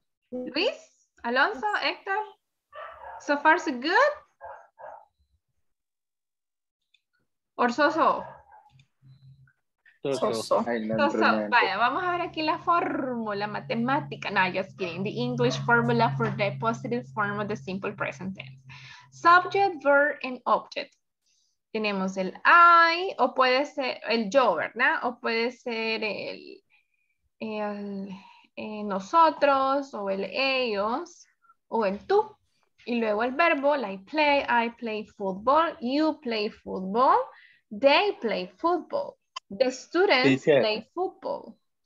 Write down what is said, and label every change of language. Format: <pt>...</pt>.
<en>Luis, Alonso, Héctor. ¿So far so good? ¿Or so-so? So-so. So-so. So-so.</en> <es>Vaya, vamos a ver aquí la fórmula matemática.</es> <en>No, just kidding. The English formula for the positive form of the simple present tense. Subject, verb, and object.</en> <es>Tenemos el I, o puede ser el yo, ¿verdad? O puede ser el nosotros, o el ellos, o el tú. Y luego el verbo,</es> <en>like play, I play football, you play football, they play football, the students play football.</en>